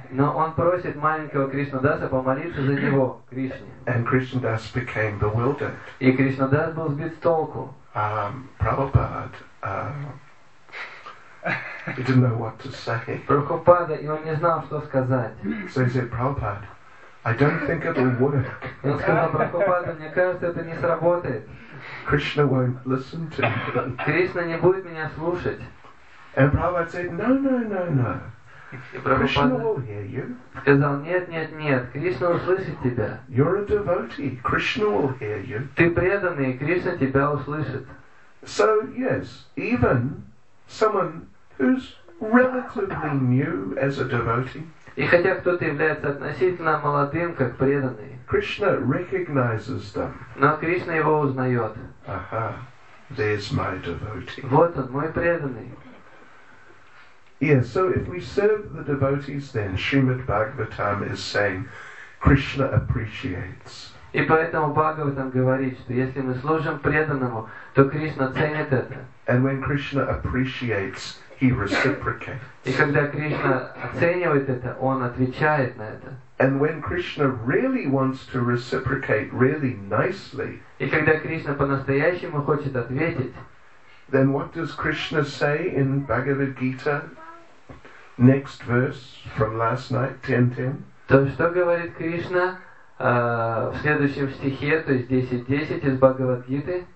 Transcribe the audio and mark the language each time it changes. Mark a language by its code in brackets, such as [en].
[ru] Но он просит маленького Кришнадаса помолиться за него, Кришне. [en] And Krishnadas became bewildered. [ru] И Кришнадас был сбит с толку. [en] Prabhupada, he didn't know what to say. [ru] Прабхупада, и он не знал, что сказать. [en] So he said, Prabhupada, I don't think it'll work. [ru] Он сказал, Прабхупада, мне кажется, это не сработает. [en] Krishna won't listen to me. [ru] Кришна не будет меня слушать. [en] And Prabhupada said, no, no, no, no. Krishna will hear you. [ru] Сказал, нет, нет, нет, Кришна услышит тебя. [en] You're a devotee. Krishna will hear you. [ru] Ты преданный, Кришна тебя услышит. [en] So, yes, even someone who's relatively new as a devotee. [ru] И хотя кто-то является относительно молодым, как преданный. [en] Krishna recognizes them. [ru] Но Кришна его узнает. [en] Aha, there's my devotee. [ru] Вот он, мой преданный. [en] Yes, so if we serve the devotees, then Srimad Bhagavatam is saying, Krishna appreciates. [ru] И поэтому Бхагаватам говорит, что если мы служим преданному, то Кришна ценит это. [en] And when Krishna appreciates, he reciprocates. [ru] И когда Кришна оценивает это, он отвечает на это. [en] And when Krishna really wants to reciprocate really nicely, [ru] и когда Кришна по-настоящему хочет ответить, [en] then what does Krishna say in Bhagavad Gita, next verse from last night, 10:10? [ru] То что говорит Кришна в следующем стихе, то есть 10:10 из Бхагавад-гиты?